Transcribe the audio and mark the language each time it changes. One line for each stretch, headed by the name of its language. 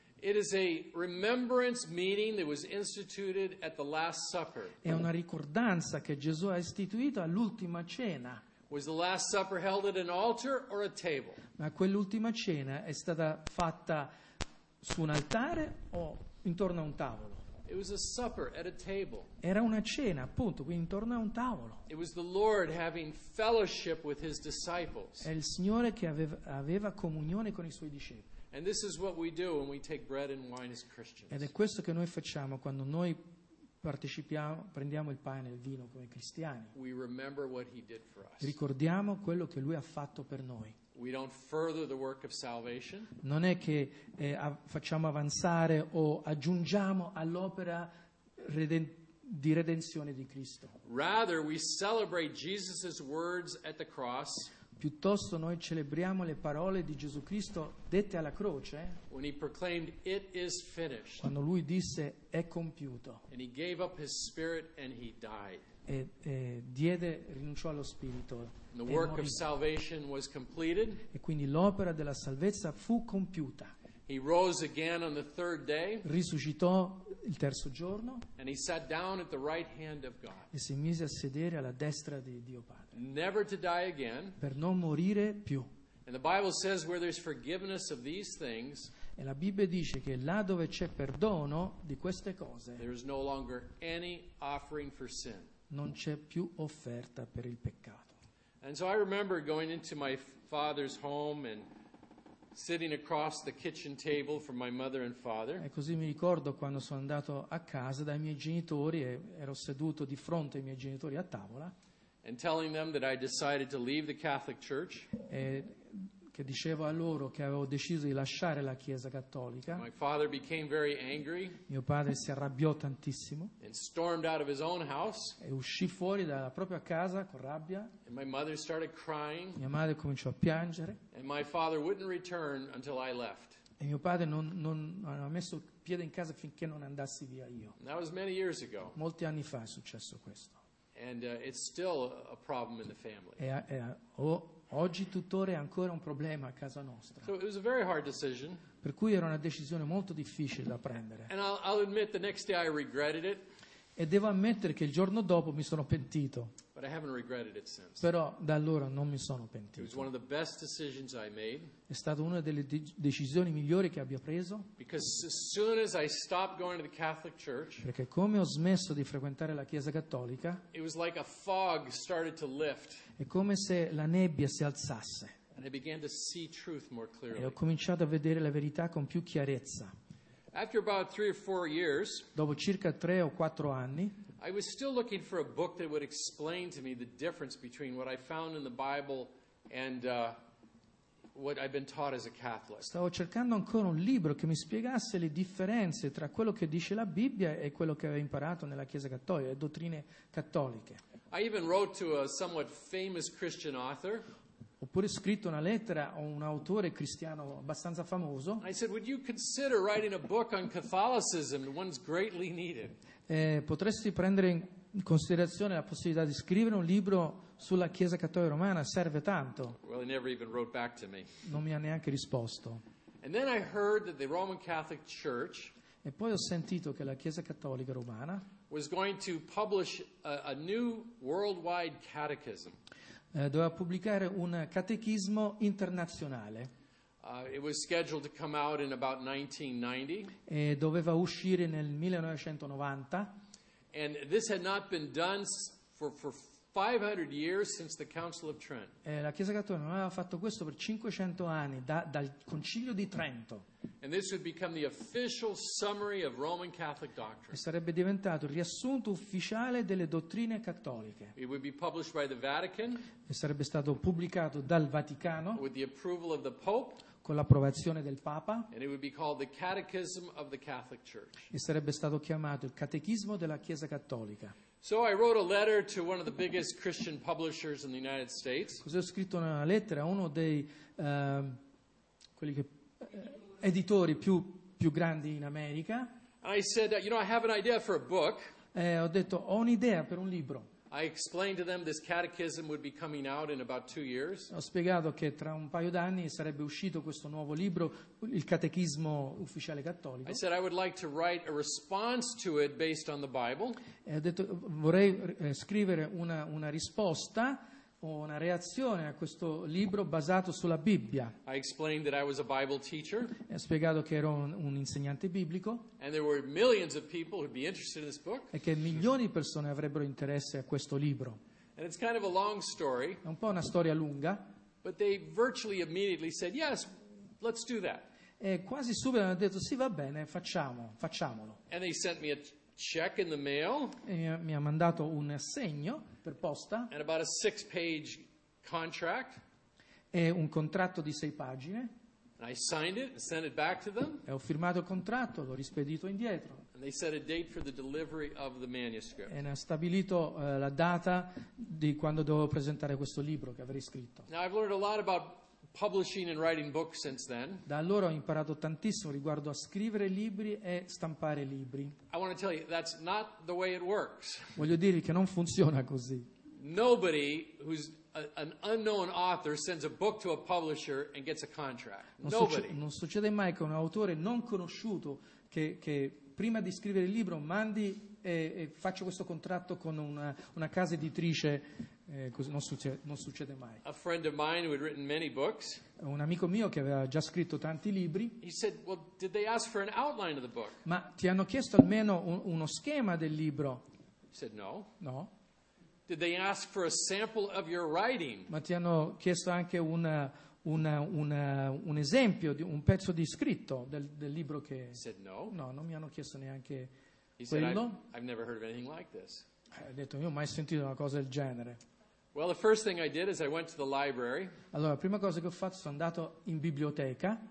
English: It is a remembrance meeting that was instituted at the Last Supper.
Italian: È una ricordanza che Gesù ha istituito all'ultima cena.
English: Was the Last Supper held at an altar or a table?
Italian: Ma quell'ultima cena è stata fatta su un altare o intorno a un tavolo?
English: It was a supper at a table.
Italian: Era una cena, appunto, quindi intorno a un tavolo.
English: It was the Lord having fellowship with his disciples.
Italian: È il Signore che aveva comunione con i suoi discepoli.
English: And this is what we do when we take bread and wine as Christians.
Italian: Ed è questo che noi facciamo quando noi partecipiamo, prendiamo il pane e il vino come cristiani.
English: We remember what he did for us.
Italian: Ricordiamo quello che lui ha fatto per noi.
English: We don't further the work of salvation.
Italian: Non è che facciamo avanzare o aggiungiamo all'opera di redenzione di Cristo.
English: Rather, we celebrate Jesus's words at the cross.
Italian: Piuttosto noi celebriamo le parole di Gesù Cristo dette alla croce
English: when he proclaimed, "It is finished."
Italian: Quando lui disse è compiuto
English: and he gave up his spirit and he died.
Italian: Rinunciò allo spirito
English: and the work of salvation was completed.
Italian: E quindi l'opera della salvezza fu compiuta.
English: He rose again on the third day.
Italian: Risuscitò il terzo giorno.
English: And he sat down at the right hand of God.
Italian: E si mise a sedere alla destra di Dio Padre.
English: Never to die again.
Italian: Per non morire più.
English: And the Bible says where there's forgiveness of these things.
Italian: E la Bibbia dice che là dove c'è perdono di queste cose.
English: There is no longer any offering for sin.
Italian: Non c'è più offerta per il peccato.
English: And so I remember going into my father's home and sitting across the kitchen table from my mother and father.
Italian: E così mi ricordo quando sono andato a casa dai miei genitori e ero seduto di fronte ai miei genitori a tavola.
English: And telling them that I decided to leave the Catholic Church.
Italian: E che dicevo a loro che avevo deciso di lasciare la Chiesa Cattolica.
English: My father became very angry.
Italian: Mio padre si arrabbiò tantissimo.
English: And stormed out of his own house.
Italian: E uscì fuori dalla propria casa con rabbia.
English: And my mother started crying.
Italian: Mia madre cominciò a piangere.
English: And my father wouldn't return until I left.
Italian: E mio padre non aveva messo piede in casa finché non andassi via io.
English: And that was many years ago.
Italian: Molti anni fa è successo questo.
English: And it's still a problem in the family.
Italian: Oggi tuttora è ancora un problema a casa nostra.
English: So it was a very hard decision.
Italian: Per cui era una decisione molto difficile da prendere.
English: And I'll admit the next day I regretted it.
Italian: E devo ammettere che il giorno dopo mi sono pentito.
English: But I haven't regretted it since.
Italian: Però da allora non mi sono pentito.
English: It was one of the best decisions I made.
Italian: È stata una delle decisioni migliori che abbia preso.
English: Because as soon as I stopped going to the Catholic Church,
Italian: perché come ho smesso di frequentare la Chiesa Cattolica,
English: it was like a fog started to lift.
Italian: È come se la nebbia si alzasse.
English: And I began to see truth more clearly.
Italian: E ho cominciato a vedere la verità con più chiarezza.
English: After about three or four years,
Italian: dopo circa tre o quattro anni,
English: I was still looking for a book that would explain to me the difference between what I found in the Bible and what I've been taught as a Catholic.
Italian: Stavo cercando ancora un libro che mi spiegasse le differenze tra quello che dice la Bibbia e quello che avevo imparato nella Chiesa Cattolica, le dottrine cattoliche.
English: I even wrote to a somewhat famous Christian author.
Italian: Ho pure scritto una lettera a un autore cristiano abbastanza famoso.
English: I said, would you consider writing a book on Catholicism? One's greatly needed.
Italian: Potresti prendere in considerazione la possibilità di scrivere un libro sulla Chiesa Cattolica Romana, serve tanto.
English: Well, he never even wrote back to me.
Italian: Non mi ha neanche risposto.
English: And then I heard that the Roman Catholic Church,
Italian: e poi ho sentito che la Chiesa Cattolica Romana
English: was going to publish a new worldwide catechism.
Italian: Doveva pubblicare un catechismo internazionale.
English: It was scheduled to come out in about 1990.
Italian: E doveva uscire nel 1990.
English: And this had not been done for 500 years since the Council of Trent.
Italian: La Chiesa Cattolica non aveva fatto questo per 500 anni dal Concilio di Trento.
English: And this would become the official summary of Roman Catholic doctrine.
Italian: Sarebbe diventato il riassunto ufficiale delle dottrine cattoliche.
English: It would be published by the Vatican.
Italian: E sarebbe stato pubblicato dal Vaticano.
English: With the approval of the Pope.
Italian: Con l'approvazione del Papa.
English: And it would be called the Catechism of the Catholic Church.
Italian: E sarebbe stato chiamato il Catechismo della Chiesa Cattolica.
English: So I wrote a letter to one of the biggest Christian publishers in the United States.
Italian: Così ho scritto una lettera a uno dei quelli che editori più grandi in America.
English: I said, you know, I have an idea for a book.
Italian: Ho detto ho un'idea per un libro.
English: I explained to them this catechism would be coming out in about 2 years.
Italian: Ho spiegato che tra un paio d'anni sarebbe uscito questo nuovo libro, il catechismo ufficiale cattolico.
English: I said I would like to write a response to it based on the Bible.
Italian: E ho detto vorrei scrivere una risposta o una reazione a questo libro basato sulla Bibbia.
English: I explained that I was a Bible teacher.
Italian: E ho spiegato che ero un insegnante biblico.
English: And there were millions of people who'd be interested in this book.
Italian: E che milioni di persone avrebbero interesse a questo libro.
English: And it's kind of a long story.
Italian: È un po' una storia lunga.
English: But they virtually immediately said, yes, let's do that.
Italian: E quasi subito hanno detto, sì, va bene, facciamolo.
English: And they sent me a check in the mail.
Italian: E mi ha mandato un assegno per posta.
English: And about a 6-page contract.
Italian: E un contratto di 6 pagine.
English: And I signed it and sent it back to them.
Italian: E ho firmato il contratto, l'ho rispedito indietro.
English: And they set a date for the delivery of the manuscript.
Italian: E ha stabilito la data di quando dovevo presentare questo libro che avrei scritto.
English: Now I've learned a lot about publishing and writing books since then.
Italian: Da allora ho imparato tantissimo riguardo a scrivere libri e stampare libri.
English: I want to tell you that's not the way it works.
Italian: Voglio dirvi che non funziona così.
English: Nobody who's an unknown author sends a book to a publisher and gets a contract.
Italian: Non succede mai che un autore non conosciuto che prima di scrivere il libro mandi e faccio questo contratto con una casa editrice. Non succede mai.
English: A friend of mine who had written many books.
Italian: Un amico mio che aveva già scritto tanti libri.
English: He said, "Well, did they ask for an outline of the book?"
Italian: Ma ti hanno chiesto almeno uno schema del libro?
English: He said, "No."
Italian: No.
English: Did they ask for a sample of your writing?
Italian: Ma ti hanno chiesto anche un esempio di un pezzo di scritto del libro che?
English: He said, "No."
Italian: No, non mi hanno chiesto neanche
English: He
Italian: quello.
English: Said, I've never heard of anything like this.
Italian: Ha detto, io ho mai sentito una cosa del genere.
English: Well, the first thing I did is I went to the library.
Italian: Allora, la prima cosa che ho fatto sono andato in biblioteca.